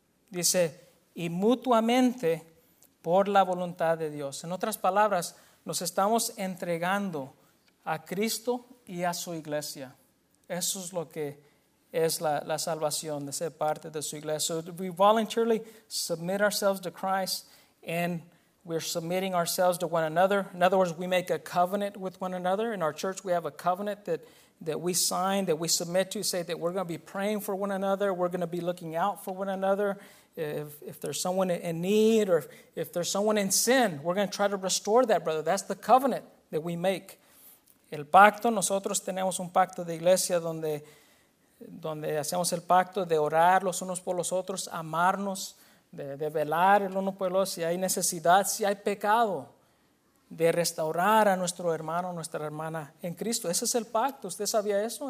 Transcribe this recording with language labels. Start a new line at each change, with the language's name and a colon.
Spanish: Dice, y mutuamente por la voluntad de Dios. En otras palabras, nos estamos entregando a Cristo y a su iglesia. Eso es lo que es la salvación, de ser parte de su iglesia.
English: So we voluntarily submit ourselves to Christ, and we're submitting ourselves to one another. In other words, we make a covenant with one another. In our church, we have a covenant that we sign, that we submit to, say that we're going to be praying for one another, we're going to be looking out for one another. If there's someone in need, or if there's someone in sin, we're going to try to restore that brother. That's the covenant that we make.
Spanish: El pacto, nosotros tenemos un pacto de iglesia donde hacemos el pacto de orar los unos por los otros, amarnos, de velar el uno por el otro. Si hay necesidad, si hay pecado, de restaurar a nuestro hermano, nuestra hermana en Cristo. Ese es el pacto. ¿Usted sabía eso?